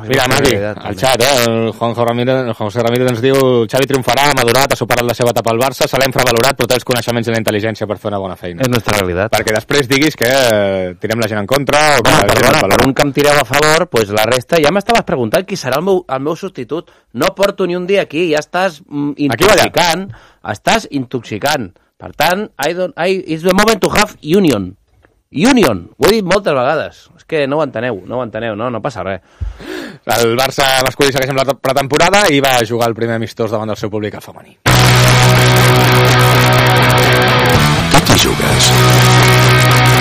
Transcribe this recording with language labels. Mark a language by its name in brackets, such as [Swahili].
[Catalan] Mira, Magui, al xat, el Juanjo Ramírez, ens diu Xavi triomfarà, ha madurat, ha superat la seva etapa al Barça, se l'ha infravalorat, però té els coneixements i la intel·ligència per fer una bona feina. És nostra realitat. Perquè després diguis que tirem la gent en contra... Per un que em tireu a favor, doncs la resta... Ja m'estaves preguntant qui serà el meu substitut. No porto ni un dia aquí, ja estàs intoxicant. Estàs intoxicant. Per tant, [English] it's the moment to have union. [Catalan] Union, ho he dit moltes vegades. És que no ho enteneu, no passa res. El Barça masculí segueix amb la pretemporada i va jugar el primer amistós davant del seu públic al femení. Tu t'hi jugues.